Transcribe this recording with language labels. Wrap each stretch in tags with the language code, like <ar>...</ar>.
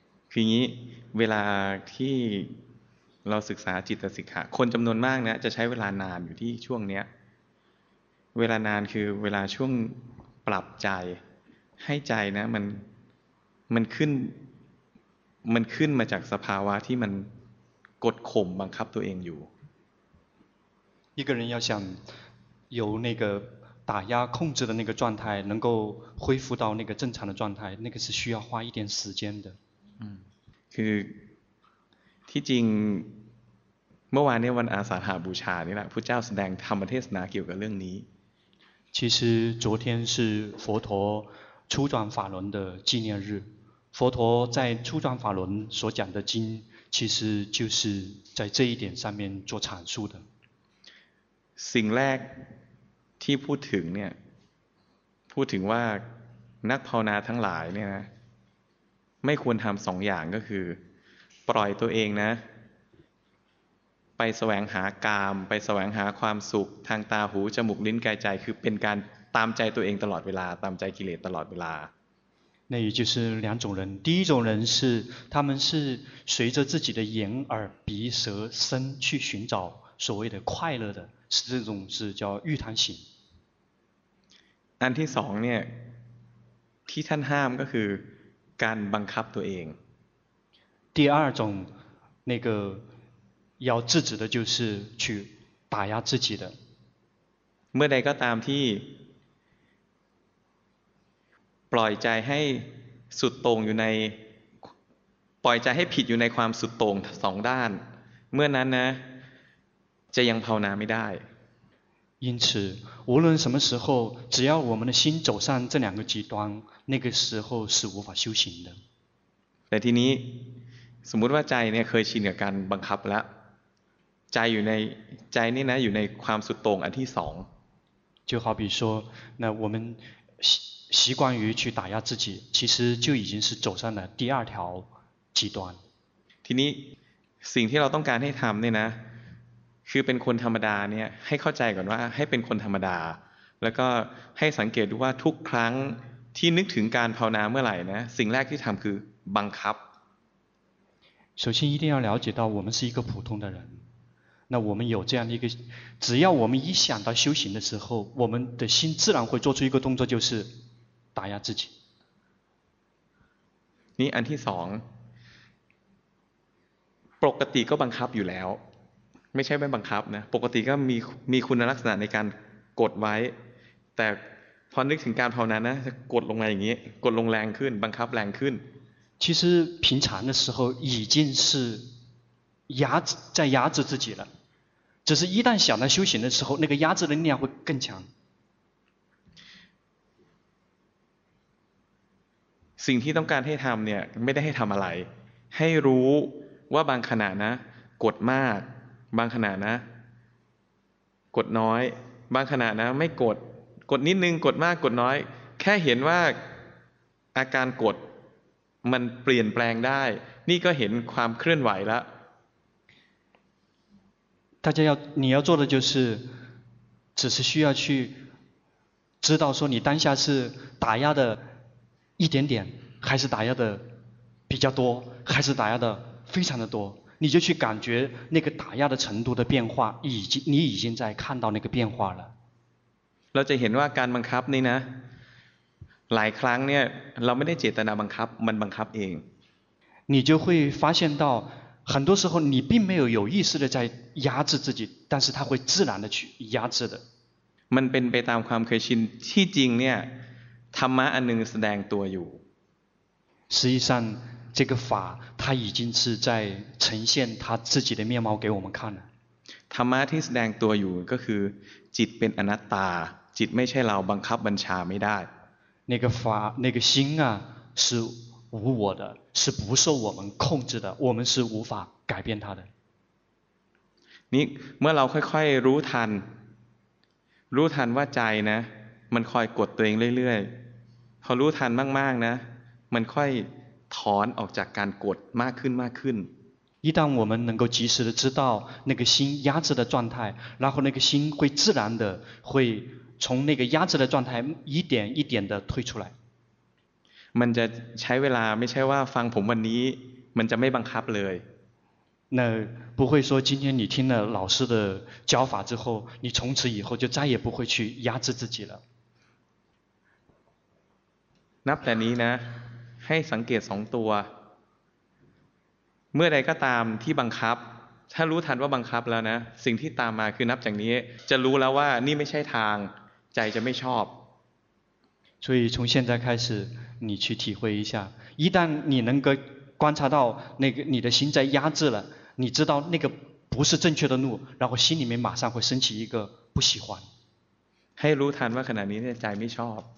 <th>คืออย่างนี้เวลาที่เราศึกษาจิตสิกขาคนจำนวนมากเนี่ยจะใช้เวลานานอยู่ที่ช่วงเนี้ยเวลานานคือเวลาช่วงปรับใจให้ใจนะมันขึ้นมาจากสภาวะที่มันกดข่มบังคับตัวเองอยู่</th> <zh>一个人要想由那个打压控制的那个状态能够恢复到那个正常的状态那个是需要花一点时间的</zh> <th>คือที่จริงเมื่อวานเนี่ยวันอาสาฬหบูชานี่แหละพุทธเจ้าแสดงธรรมเทศนาเกี่ยวกับเรื่องนี้</th> <zh>其实昨天是佛陀初转法轮的纪念日佛陀在初转法轮所讲的经其实就是在这一点上面做阐述的</zh> <th>สิ่งแรกที่พูดถึงเนี่ยพูดถึงว่านักภาวนาทั้งหลายเนี่ยนะไม่ควรทำสองอย่างก็คือปล่อยตัวเองนะไปแสวงหากามไปแสวงหาความสุขทางตาหูจมูกลิ้นกายใจคือเป็นการตามใจตัวเองตลอดเวลาตามใจกิเลสตลอดเวลา</th> <zh>那也就是两种人第一种人是他们是随着自己的眼耳鼻舌身去寻找所谓的快乐的是这种是叫欲贪型</zh> <th>อันที่สองเนี่ยที่ท่านห้ามก็คือการบังคับตัวเอง</th> <zh>第二种那个要制止的就是去打压自己的。</zh> <th>เมื่อใดก็ตามที่ปล่อยใจให้สุดโต่งอยู่ในปล่อยใจให้ผิดอยู่ในความสุดโต่งสองด้านเมื่อนั้นนะจะยังภาวนาไม่ได้</th> <zh>因此无论什么时候只要我们的心走上这两个极端那个时候是无法修行的</zh> <th>แต่ทีนี้สมมติว่าใจเนี่ยเคยชินกับการบังคับแล้วใจอยู่ในใจนี่นะอยู่ในความสุดโต่งอันที่สอง</th> <zh>就好比说那我们 习惯于去打压自己其实就已经是走上了第二条极端</zh> <th>ทีนี้สิ่งที่เราต้องการให้ทำเนี่ยนะคือเป็นคนธรรมดาเนี่ยให้เข้าใจก่อนว่าให้เป็นคนธรรมดาแล้วก็ให้สังเกตดูว่าทุกครั้งที่นึกถึงการภาวนาเมื่อไหร่นะสิ่งแรกที่ทำคือบังคับ</th> <zh>首先一定要了解到我们是一个普通的人那我们有这样的一个只要我们一想到修行的时候我们的心自然会做出一个动作就是打压自己</zh> <th>นี่อันที่สองปกติก็บังคับอยู่แล้วไม่ใช่ไม่บังคับนะปกติก็มีคุณลักษณะในการกดไว้แต่พอนึกถึงการภาวนานะจะกดลงมาอย่างนี้กดลงแรงขึ้นบังคับแรงขึ้น</th> <zh>其实平常的时候已经是压在压制自己了只是一旦想到修行的时候那个压制的力量会更强</zh> <th>สิ่งที่ต้องการให้ทำเนี่ยไม่ได้ให้ทำอะไรให้รู้ว่าบางขณะนะกดมากบางขณะนะกดน้อยบางขณะนะไม่กดกดนิดนึงกดมากกดน้อยแค่เห็นว่าอาการกดมันเปลี่ยนแปลงได้นี่ก็เห็นความเคลื่อนไหวละ</th> <zh>大家要你要做的就是只是需要去知道说你当下是打压的一点点还是打压的比较多还是打压的非常的多你就去感觉那个打压的程度的变化已经你已经在看到那个变化了</zh> <th>เราจะเห็นว่าการบังคับนี่นะหลายครั้งเนี่ยเราไม่ได้เจตนาบังคับมันบังคับเอง</th> <zh>你就会发现到很多时候你并没有有意识的在压制自己但是它会自然的去压制的</zh> <th>มันเป็นไปตามความเคยชินที่จริงเนี่ยธรรมะอันนึงแสดงตัวอยู่</th> <zh>实际上这个法它已经是在呈现它自己的面貌给我们看了</zh> <th>ธรรมะที่แสดงตัวอยู่ก็คือจิตเป็นอนัตตาจิตไม่ใช่เราบังคับบัญชาไม่ได้</th> <zh>那个法那个心啊是无我的是不受我们控制的我们是无法改变它的</zh> <th>นี่เมื่อเราค่อยๆรู้ทันว่าใจนะมันคอยกดตัวเองเรื่อยๆพอรู้ทันมากๆนะมันค่อยถอนออกจากการกดมากขึ้นมากขึ้น</th> <zh>一旦我们能够及时的知道那个心压制的状态然后那个心会自然的会从那个压制的状态一点一点的退出来</zh> <th>มันจะใช้เวลาไม่ใช่ว่าฟังผมวันนี้มันจะไม่บังคับเลย</th> <zh>那不会说今天你听了老师的教法之后你从此以后就再也不会去压制自己了</zh> <th>นับแต่นี้นะให้สังเกตสองตัวเมื่อใดก็ตามที่บังคับถ้ารู้ทันว่าบังคับแล้วนะสิ่งที่ตามมาคือนับจากนี้จะรู้แล้วว่านี่ไม่ใช่ทางใจจะไม่ชอบ</th> <zh>所以从现在开始你去体会一下一旦你能够观察到那个你的心在压制了你知道那个不是正确的路然后心里面马上会升起一个不喜欢</zh> <th>ให้รู้ทันว่าขณะนี้ใจไม่ชอบ</th>